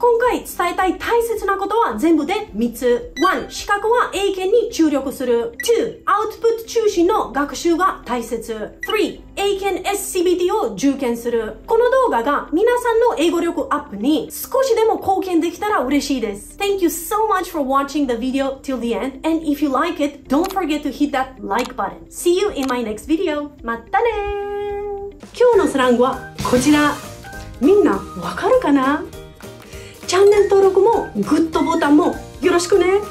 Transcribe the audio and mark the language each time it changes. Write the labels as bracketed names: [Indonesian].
[Japanese] 今回伝えたい大切なことは全部で3つ。 1. 資格は英検に注力する。2. 2. アウトプット中心の学習が大切。 3. 英検 SCBT を受験する。この動画が皆さんの英語力アップに少しでも貢献できたら嬉しいです。 [English] Thank you so much for watching the video till the end. And if you like it, don't forget to hit that like button. See you in my next video. [Japanese] またね。今日のスラングはこちら。みんなわかるかな？チャンネル登録もグッドボタンもよろしくね。